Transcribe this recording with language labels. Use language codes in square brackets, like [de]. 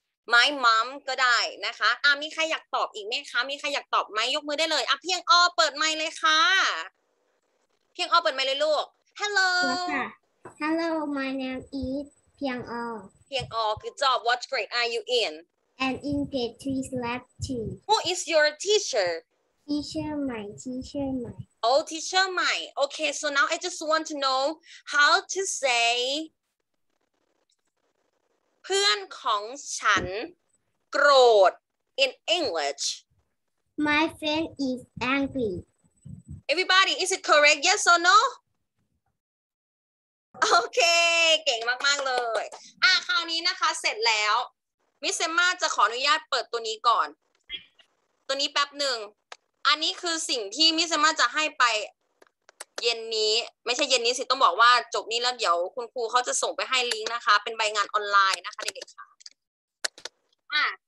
[en] My mom [th] ก็ได้นะคะมีใครอยากตอบอีกไหมคะมีใครอยากตอบไหมยกมือได้เลยเพียงอ้อเปิดไมค์เลยค่ะเพียงอ้อเปิดไมค์เลยลูก Hello [en] Hello my name is เพียงอ้อ เพียงอ้อ Good job What grade are you in I'm in grade 3 slash 2 Who is your teacher Teacher my teacher my Oh, teacher Mai. Okay, so now I just want to know how to say [th] เพื่อนของฉันโกรธ [en] in English. My friend is angry. Everybody, is it correct? Yes or no? [th] Okay, เก่งมากๆเลยคราวนี้นะคะเสร็จแล้วมิสเซม่าจะขออนุญาตเปิดตัวนี้ก่อนตัวนี้แป๊บหนึ่งอันนี้คือสิ่งที่มิสเซม่าจะให้ไปเย็นนี้ไม่ใช่เย็นนี้สิต้องบอกว่าจบนี้แล้วเดี๋ยวคุณครูเขาจะส่งไปให้ลิงก์นะคะเป็นใบงานออนไลน์นะคะเด็กๆค่ะ